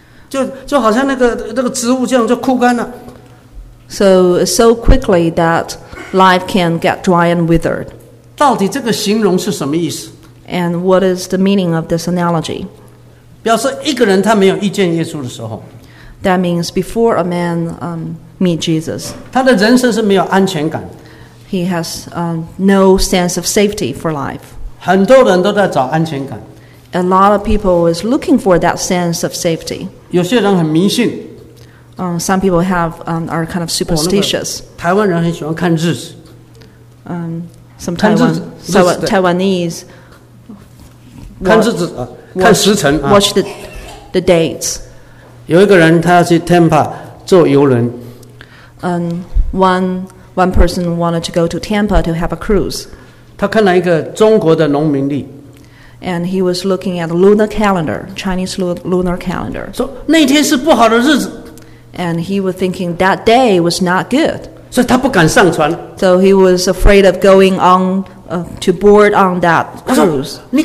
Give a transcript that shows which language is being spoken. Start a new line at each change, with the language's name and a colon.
Chinese: 他说我们人生好像什么呢？就枯干了，就好像那个植物这样就枯干了。
English: So quickly that life can get dry and withered.
Chinese: 到底这个形容是什么意思?
English: And what is the meaning of this analogy?
Chinese: 表示一个人他没有遇见耶稣的时候,
English: that means before a man meet Jesus,
Chinese: 他的人生是没有安全感,
English: he has no sense of safety for life.
Chinese: 很多人都在找安全感,
English: a lot of people is looking for that sense of safety.
Chinese: 有些人很迷信,
English: Some people have are kind of superstitious.
Chinese: 台湾人很喜欢看日子。
English: Some Taiwanese
Chinese: 看日子，看时辰。
English: Watch the dates.
Chinese: 有一个人他要去 Tampa 坐游轮。
English: One person wanted to go to Tampa to have a cruise.
Chinese: 他看了一个中国的农民历。
English: And he was looking at the lunar calendar, Chinese lunar calendar.
Chinese: 说那天是不好的日子。
English: And he was thinking that day was not good.
Chinese: 所以他不敢上船。
English: So he was afraid of going on to board on that cruise.